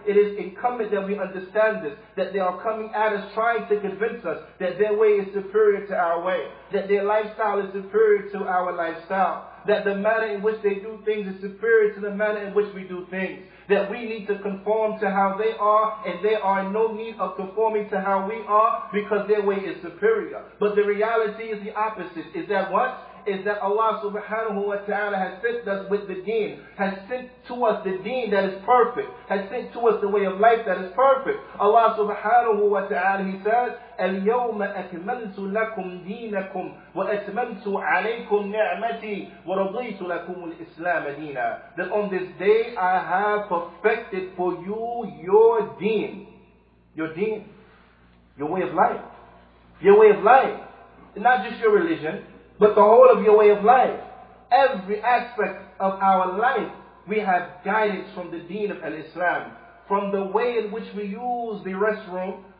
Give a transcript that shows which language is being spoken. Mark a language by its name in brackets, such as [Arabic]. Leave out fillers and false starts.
[English] It is incumbent that we understand this, that they are coming at us trying to convince us that their way is superior to our way, that their lifestyle is superior to our lifestyle, that the manner in which they do things is superior to the manner in which we do things, that we need to conform to how they are, and they are in no need of conforming to how we are, because their way is superior. But the reality is the opposite. Is that what? Is that Allah subhanahu wa ta'ala has sent us with the deen, has sent to us the deen that is perfect, has sent to us the way of life that is perfect. [Arabic] Allah subhanahu wa ta'ala, [English] He says, [Arabic] الْيَوْمَ أَكْمَلْتُ لَكُمْ دِينَكُمْ وَأَتْمَمْتُ عَلَيْكُمْ نِعْمَتِي وَرَضِيتُ لَكُمُ الْإِسْلَامَ دِينًا. [English] That on this day I have perfected for you your deen. Your deen. Your way of life. Your way of life. Not just your religion, but the whole of your way of life. Every aspect of our life, we have guidance from the deen of al-Islam. From the way in which we use the restroom,